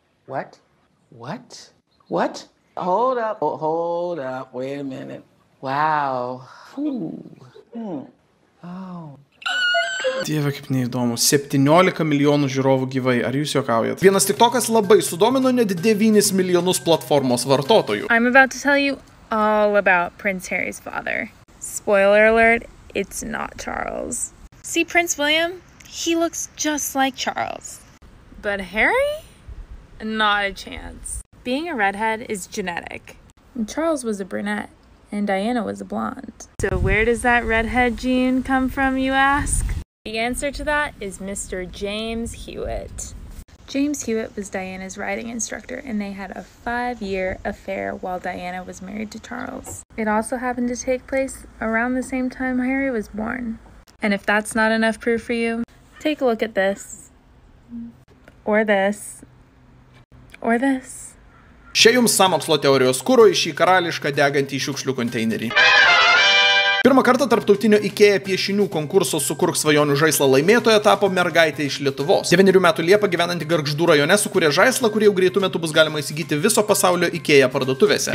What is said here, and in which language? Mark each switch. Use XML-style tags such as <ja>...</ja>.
<en>What? What? What? Hold up. Oh, hold up. Wait a minute. Wow. Ooh.</en> <lt>Oh. Dieve, kaip neįdomu. 17 milijonų žiūrovų gyvai. Ar jūs juokaujat? Vienas TikTokas labai sudomino net 9 milijonus platformos vartotojų.</lt> <en>I'm about to tell you all about Prince Harry's father. Spoiler alert, it's not Charles. See Prince William? He looks just like Charles. But Harry? Not a chance. Being a redhead is genetic. And Charles was a brunette, and Diana was a blonde. So where does that redhead gene come from, you ask? The answer to that is Mr. James Hewitt. James Hewitt was Diana's riding instructor, and they had a 5-year affair while Diana was married to Charles. It also happened to take place around the same time Harry was born. And if that's not enough proof for you, take a look at this. Or this. Or this.</en> <lt>Čia jums sąmokslo teorijos kūro iš į karališką degantį šiukšlių konteinerį. Pirmą kartą tarptautinio IKEA piešinių konkurso sukurk svajonių žaislą laimėtoja tapo mergaitė iš Lietuvos. 9 metų Liepa gyvenanti Gargždų rajone sukūrė žaislą, kurį jau greitų metų bus galima įsigyti viso pasaulio IKEA parduotuvėse.</lt>